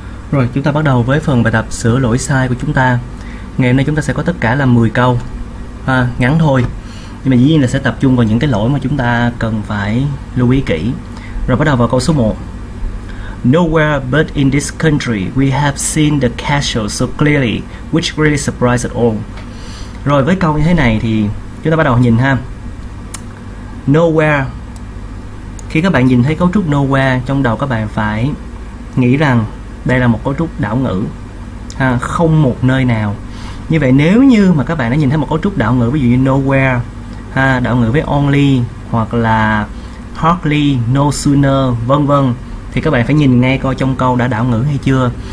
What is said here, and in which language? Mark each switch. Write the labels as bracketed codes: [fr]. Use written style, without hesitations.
[vi] Rồi, chúng ta bắt đầu với phần bài tập sửa lỗi sai của chúng ta. Ngày hôm nay chúng ta sẽ có tất cả là 10 câu ngắn thôi, nhưng mà dĩ nhiên là sẽ tập trung vào những cái lỗi mà chúng ta cần phải lưu ý kỹ. Rồi, bắt đầu vào câu số 1. [en] Nowhere but in this country we have seen the casual so clearly, which really surprised us all. [vi] Rồi, với câu như thế này thì chúng ta bắt đầu nhìn ha. Nowhere. Khi các bạn nhìn thấy cấu trúc nowhere, trong đầu các bạn phải nghĩ rằng đây là một cấu trúc đảo ngữ, không một nơi nào. Như vậy nếu như mà các bạn đã nhìn thấy một cấu trúc đảo ngữ, ví dụ như nowhere, đảo ngữ với only, hoặc là hardly, no sooner, vân vân, thì các bạn phải nhìn ngay coi trong câu đã đảo ngữ hay chưa.